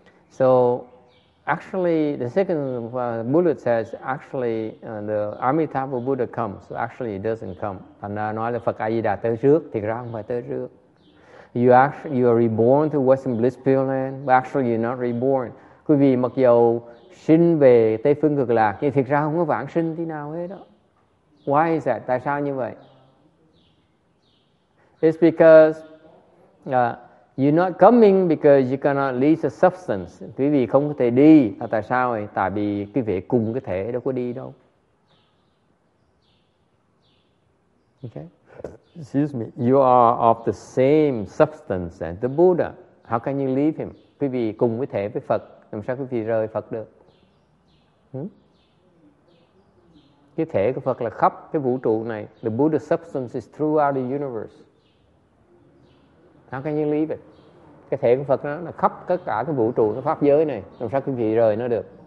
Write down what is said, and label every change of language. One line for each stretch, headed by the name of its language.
English: So actually the second bullet says actually the Amitabha Buddha comes. So actually it doesn't come.
Vietnamese: Thành ra nói là Phật A Di Đà tới trước, thì ra không phải tới trước.
English: You are reborn to Western Bliss Pure Land, but actually you're not reborn.
Vietnamese: Quý vị mặc dù sinh về Tây Phương Cực Lạc, nhưng thực ra không có vãng sinh tí nào hết đó.
English: Why is that?
Vietnamese: Tại sao như vậy?
English: It's because you're not coming because you cannot leave the substance.
Vietnamese: Quý vị không có thể đi. Tại sao vậy? Tại vì quý vị cùng cái thể đâu có đi đâu.
English: Okay. Excuse me, you are of the same substance as the Buddha. How can you leave him?
Vietnamese: Quý vị cùng với thể với Phật, làm sao quý vị rời Phật được? cái thể của Phật là khắp cái vũ trụ này.
English: The Buddha substance is throughout the universe.
Vietnamese: Đó cái nguyên lý vậy. Cái thể của Phật nó là khắp tất cả cái vũ trụ, cái pháp giới này. Làm sao quý vị rời nó được?